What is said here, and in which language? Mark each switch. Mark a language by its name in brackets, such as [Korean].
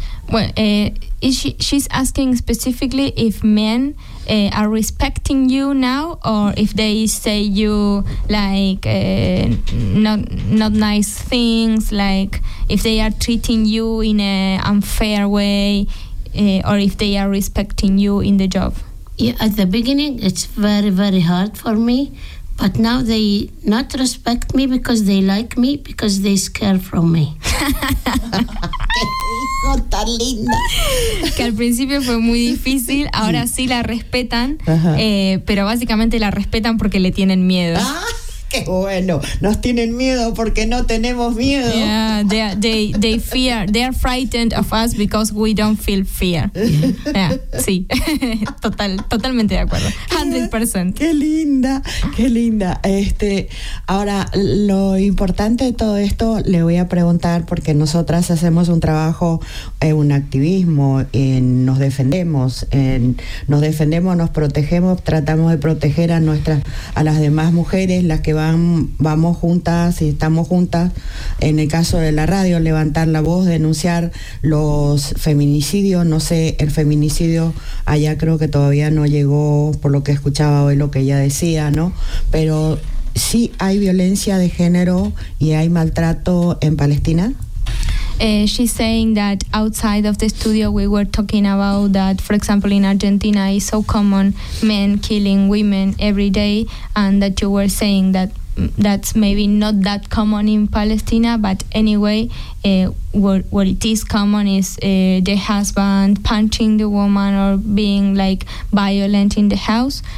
[English] Well, she's asking specifically if men are respecting you now, or if they say you like not nice things, like if they are treating you in an unfair way, or if they are respecting you in the job. Yeah, at the beginning it's very, very hard for me, but now they not respect me because they like me, because they scare from me. [Spanish] Qué hijo tan linda. Que al principio fue muy difícil, ahora sí la respetan, pero básicamente la respetan porque le tienen miedo. Bueno, nos tienen miedo porque no tenemos miedo. [English] Yeah, they fear, they are frightened of us because we don't feel fear. [Spanish] Yeah, sí, totalmente de acuerdo, 100%. Qué linda. Ahora, lo importante de todo esto, le voy a preguntar, porque nosotras hacemos un trabajo, un activismo, nos defendemos, nos protegemos, tratamos de proteger a las demás mujeres, las que vamos juntas y estamos juntas en el caso de la radio, levantar la voz, denunciar los feminicidios. No sé, el feminicidio allá creo que todavía no llegó, por lo que escuchaba hoy lo que ella decía, ¿no? Pero sí hay violencia de género y hay maltrato en Palestina. [English] She's saying that outside of the studio we were talking about that, for example, in Argentina it's so common men killing women every day, and that you were saying that that's maybe not that common in Palestine, but anyway, what it is common is the husband punching the woman or being like violent in the house.